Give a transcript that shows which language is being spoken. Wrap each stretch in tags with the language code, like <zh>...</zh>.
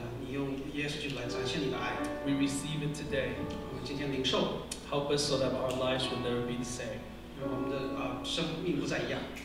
<zh>你用耶稣基督来展现你的爱</zh> <en>We receive it today.</en> <zh>我们今天领受</zh> <en>Help us so that our lives will never be the same.</en> <zh>让我们的生命不再一样</zh>